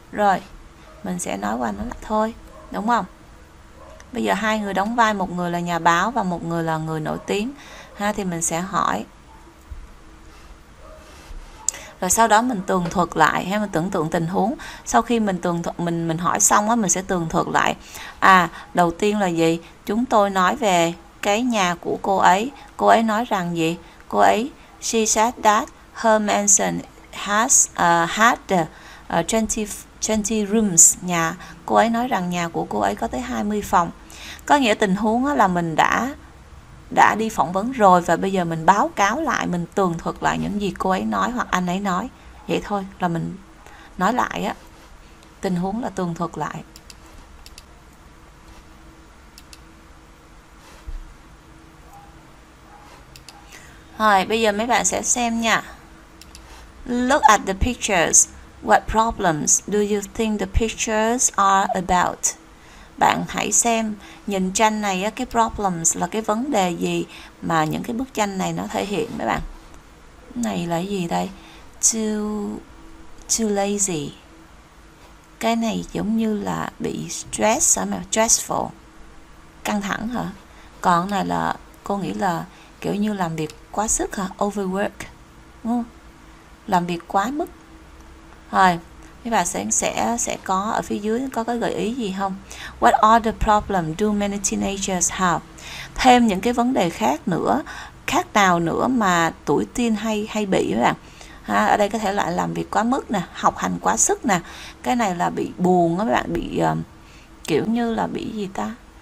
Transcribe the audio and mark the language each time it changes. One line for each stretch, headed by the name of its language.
Vietnamese: Rồi, mình sẽ nói qua nó là thôi, đúng không? Bây giờ hai người đóng vai, một người là nhà báo và một người là người nổi tiếng ha, thì mình sẽ hỏi. Rồi sau đó mình tường thuật lại ha, mình tưởng tượng tình huống. Sau khi mình tường thuật, mình hỏi xong á, mình sẽ tường thuật lại. À, đầu tiên là gì? Chúng tôi nói về cái nhà của cô ấy. Cô ấy nói rằng gì? Cô ấy,
English: she said that her mansion has had 20 rooms,
Vietnamese: nhà cô ấy nói rằng nhà của cô ấy có tới 20 phòng. Có nghĩa tình huống là mình đã đi phỏng vấn rồi và bây giờ mình báo cáo lại, mình tường thuật lại những gì cô ấy nói hoặc anh ấy nói. Vậy thôi, là mình nói lại á. Tình huống là tường thuật lại. Rồi, bây giờ mấy bạn sẽ xem nha.
English: Look at the pictures. What problems do you think the pictures are about?
Vietnamese: Bạn hãy xem, nhìn tranh này á, cái problems là cái vấn đề gì mà những cái bức tranh này nó thể hiện mấy bạn. Này là gì đây?
English: Too lazy.
Vietnamese: Cái này giống như là bị stress hả? Stressful. Căng thẳng hả? Còn này là, cô nghĩ là kiểu như làm việc quá sức hả? Overwork. Đúng không? Làm việc quá mức. Rồi, mấy bạn sẽ có ở phía dưới có cái gợi ý gì không?
English: What are the problems do many teenagers have?
Vietnamese: Thêm những cái vấn đề khác nữa, khác nào nữa mà tuổi teen hay bị mấy bạn? Ha, ở đây có thể là làm việc quá mức nè, học hành quá sức nè. Cái này là bị buồn á mấy bạn, bị kiểu như là bị gì ta?